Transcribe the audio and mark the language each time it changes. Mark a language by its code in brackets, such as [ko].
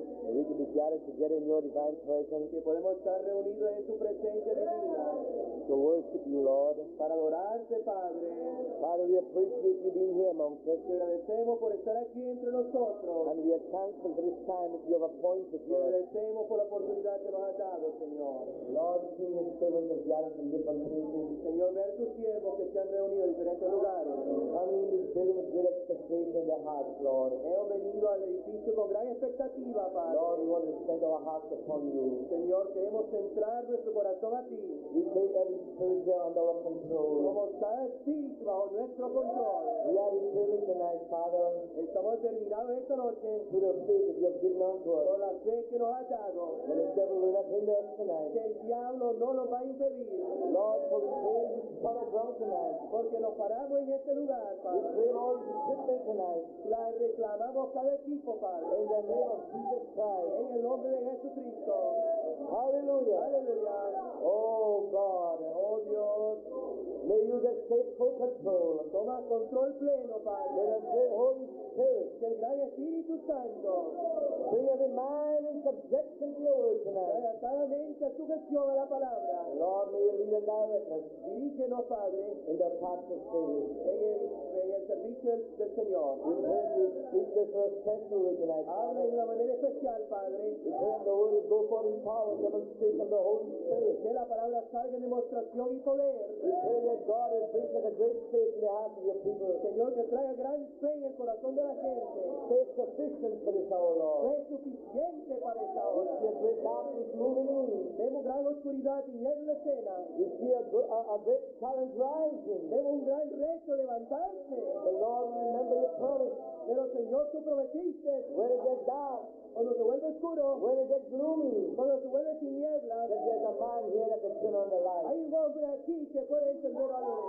[en] That we can be gathered together in your divine presence. [es] Que podemos estar reunidos en tu presencia divina. [en] To worship you, Lord. [es] Para adorarte, Padre. [en] Father, we appreciate you being here amongst us. [es] Te agradecemos por estar aquí entre nosotros. [en] And we are thankful for this time that you have appointed [es] us. Te agradecemos por la oportunidad que nos has dado, Señor. [en] Lord, see your servants have gathered in different places. [es] Señor, ver tus siervos que se han reunido en diferentes lugares. [en] Coming to build with great expectation in their hearts, Lord. [es] Hemos venido al edificio con gran expectativa, Padre. [en] Lord, we want to send our hearts upon you. [es] Señor, queremos centrar nuestro corazón a ti. [en] We take every spirit here under our control. [es] Como está el espíritu bajo nuestro control. [en] We are determined tonight, Father. [es] Estamos determinados esta noche. [en] To the faith that you have given unto us. [es] Por la fe que nos ha dado. [en] And the devil will not hinder us tonight. [es] Que el diablo no nos va a impedir. [en] Lord, for the faith that you have brought tonight. [es] Porque nos paramos en este lugar, Padre. [en] We claim all the equipment tonight. [es] La reclamamos cada equipo, Padre. [en] In the name of Jesus Christ. [es] En el nombre de Jesucristo. [en] Hallelujah. [es] Hallelujah. [en] Oh God. [es] Oh Dios. [en] May you just take full control. [es] Toma control pleno, Padre. [en] May the Holy Spirit. [es] Que el gran Espíritu Santo. [en] Bring every mind in subjection to your word tonight. [es] Trae cada mente a sujeción a la palabra. [en] Lord, may you lead and direct us. [es] Dirígenos, Padre. [en] In the path of service. [es] En el servicio del Señor. [en] We pray you speak this in a special way tonight. [es] Habla de una manera especial, Padre. [en] We pray the word go forth in power, demonstration of the Holy Spirit. [es] Que la palabra salga en demostración y poder. [en] That God has placed a great faith in the hearts of your people. [es] Señor, que traiga gran fe en el corazón de la gente. [en] Stay sufficient for this hour, Lord. [es] Es suficiente para esta hora. [en] We see a great darkness moving in. [es] Vemos gran oscuridad en la escena. [en] We see a great challenge rising. [es] Vemos un gran reto levantarse. [en] The Lord, remember your promise. [es] Pero Señor, tú prometiste. [en] When it gets dark. [es] Cuando se vuelve oscuro. [en] When it gets gloomy. [es] Cuando se vuelve tiniebla. [en] There's a man here that can turn on the light. [es] Hay un hombre aquí que puede encender la luz.